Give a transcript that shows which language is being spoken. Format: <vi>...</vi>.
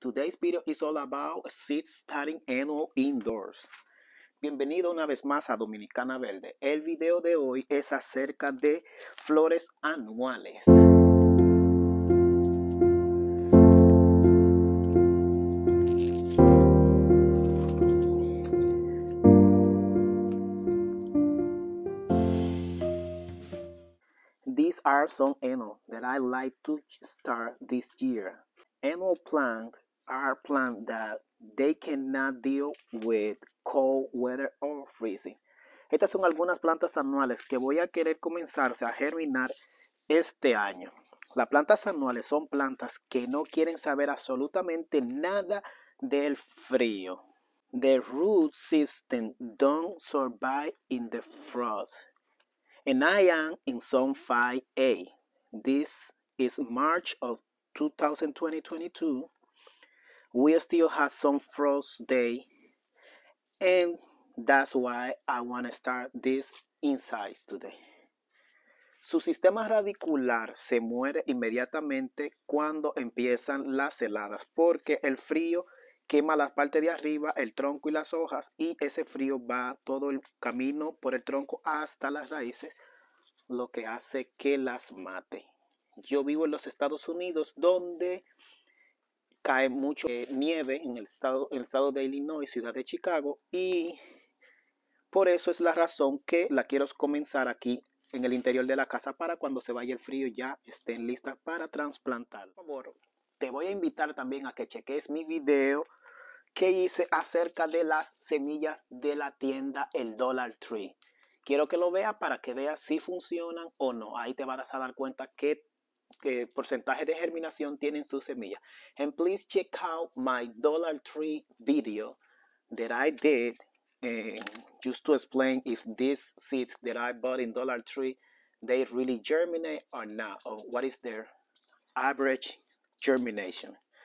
<en>Today's video is all about seed starting annual indoors.</en> <es>Bienvenido una vez más a Dominicana Verde. El video de hoy es acerca de flores anuales.</es> <en>These are some annual that I like to start this year. Annual plants are plants that they cannot deal with cold weather or freezing.</en> <es>Estas son algunas plantas anuales que voy a querer comenzar, o sea, germinar este año. Las plantas anuales son plantas que no quieren saber absolutamente nada del frío.</es> <en>The root system don't survive in the frost. And I am in zone 5A. This is March of 2022. We still have some frost day. And that's why I want to start this insights today.</en> <es>Su sistema radicular se muere inmediatamente cuando empiezan las heladas, porque el frío quema la parte de arriba, el tronco y las hojas, y ese frío va todo el camino por el tronco hasta las raíces, lo que hace que las mate. Yo vivo en los Estados Unidos, donde cae mucho nieve en el estado de Illinois, ciudad de Chicago, y por eso es la razón que la quiero comenzar aquí en el interior de la casa, para cuando se vaya el frío ya estén listas para trasplantar. Por favor, te voy a invitar también a que cheques mi video que hice acerca de las semillas de la tienda El Dollar Tree. Quiero que lo veas para que veas si funcionan o no. Ahí te vas a dar cuenta qué porcentaje de germinación tienen sus semillas.</es> <en>And please check out my Dollar Tree video that I did just to explain if these seeds that I bought in Dollar Tree, they really germinate or not, or what is their average germination.</en>